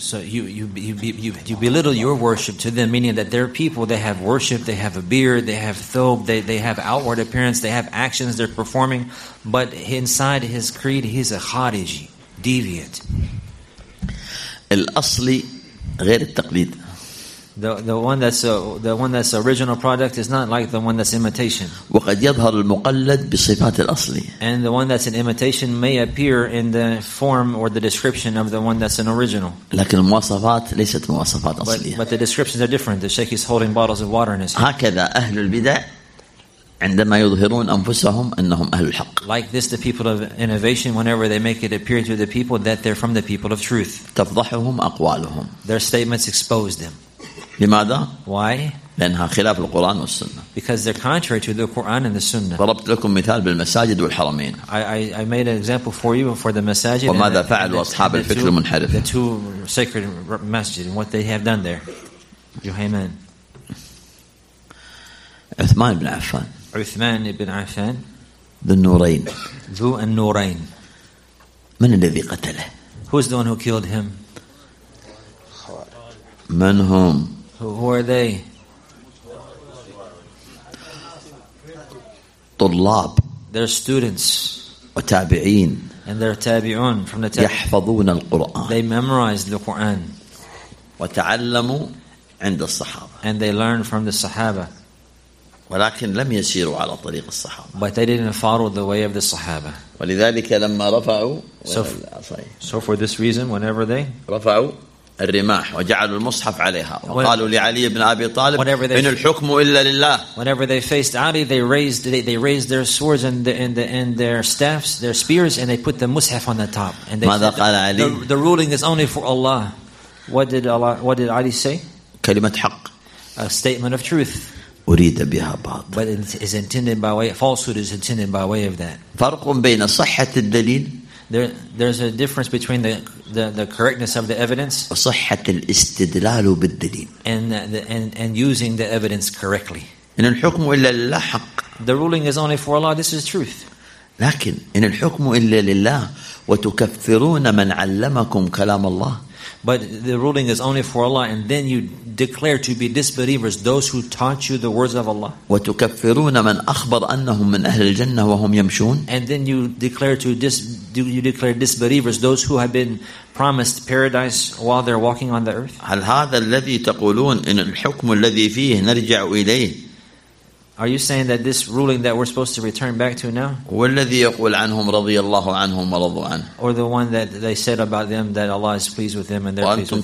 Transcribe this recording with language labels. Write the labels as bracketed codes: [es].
[en] So you belittle your worship to them, meaning that they're people. They have worship. They have a beard. They have thobe. They have outward appearance. They have actions they're performing, but inside his creed, he's a خارجي, deviant. [ar] الأصلي غير التقليد. [en] The one that's original product is not like the one that's imitation. [ar] وقد يظهر المقلد بصفات الأصلي. [en] And the one that's an imitation may appear in the form or the description of the one that's an original. [ar] لكن المواصفات ليست مواصفات أصلية. [en] But the descriptions are different. The sheikh is holding bottles of water in his hand. [ar] هكذا أهل البدع عندما يظهرون أنفسهم أنهم أهل الحق. [en] Like this, the people of innovation, whenever they make it appear to the people that they're from the people of truth. [ar] تفضحهم أقوالهم. [en] Their statements expose them. [ar] لماذا؟ [en] Why? [ar] لأنها خلاف القرآن والسنة. [en] Because they're contrary to the Quran and the Sunnah. [ar] ضربت لكم مثال بالمساجد والحرمين. [en] I made an example for you for the masajid. [ar] وماذا فعل أصحاب الفكر المنحرف؟ [en] The two sacred masjid and what they have done there. Juhayman. [ar] عثمان بن عفان. عثمان بن عفان. ذو النورين. ذو النورين. من الذي قتله؟ [en] Who's the one who killed him? [ar] من هم؟ [en] Who are they? [ar] طلاب. [en] They're students. [ar] وتابعين. [en] And they're تابعون from the [ar] tabi'in. يحفظون القرآن. [en] They memorized the Quran. [ar] وتعلموا عند الصحابة. [en] And they learned from the Sahaba. [ar] ولكن لم يسيروا على طريق الصحابة. [en] But they didn't follow the way of the Sahaba. [ar] ولذلك لما رفعوا. [en] So for this reason, whenever they [ar] رفعوا. الرماح وجعلوا المصحف عليها وقالوا لعلي بن أبي طالب إن الحكم إلا لله. [en] Whenever they faced Ali, they raised their swords and their staffs, their spears, and they put the mushaf on the top. And they [ar] ماذا قال علي? [en] The ruling is only for Allah. What did Ali say? [ar] كلمة حق. [en] a statement of truth. [ar] أريد بها بعض. [en] But it is intended by way. Falsehood is intended by way of that. [ar] فرق بين صحة الدليل. [en] There's a difference between the correctness of the evidence. [ar] صحة الاستدلال بالدليل. [en] And using the evidence correctly. [ar] إن الحكم إلا لله حق. [en] The ruling is only for Allah. This is truth. [ar] لكن إن الحكم إلا لله وتكفرون من علمكم كلام الله. [en] But the ruling is only for Allah, and then you declare to be disbelievers those who taught you the words of Allah. [ar] وتكفرون من أخبر أنهم من أهل الجنة وهم يمشون. [en] And then you declare disbelievers those who have been promised paradise while they're walking on the earth. [ar] هل هذا الذي تقولون إن الحكم الذي فيه نرجع إليه؟ [en] Are you saying that this ruling that we're supposed to return back to now? [ar] والذي يقول عنهم رضي الله عنهم ورضوا عنه. [en] Or the one that they said about them that Allah is pleased with them and they're pleased with